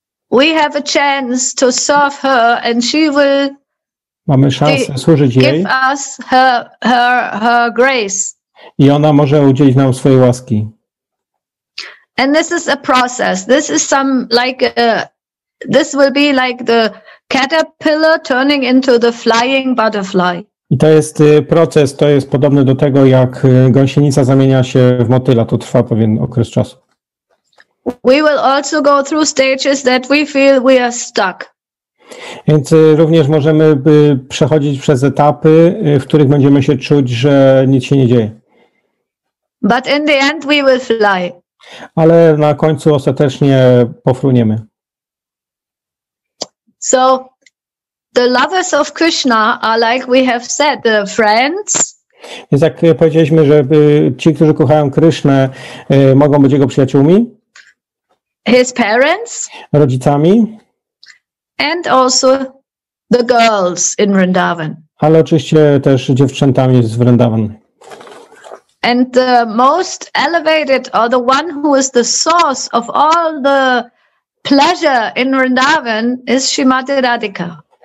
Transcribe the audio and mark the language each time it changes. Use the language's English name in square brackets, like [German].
[English] We have a chance to serve her and she will [Polish] mamy szansę służyć jej. [English] Give us her grace. [Polish] I ona może udzielić nam swojej łaski. [English] And this is a process. This is some like this will be like the caterpillar turning into the flying butterfly. [Polish] I to jest proces, to jest podobny do tego, jak gąsienica zamienia się w motyla. To trwa pewien okres czasu. [English] We will also go through stages that we feel we are stuck. [Polish] Więc również możemy przechodzić przez etapy, w których będziemy się czuć, że nic się nie dzieje. [English] But in the end we will fly. [Polish] Ale na końcu ostatecznie pofruniemy. [English] So the lovers of Krishna are like we have said, the friends. [Polish] Więc jak powiedzieliśmy, że ci, którzy kochają Krishnę, mogą być jego przyjaciółmi. [English] His parents, [Polish] rodzicami, [English] and also the girls in Vrindavan. [Polish] Ale oczywiście też dziewczętami z Vrindavan. [English] And the most elevated, or the one who is the source of all the pleasure in Vrindavan, is Srimati Radhika.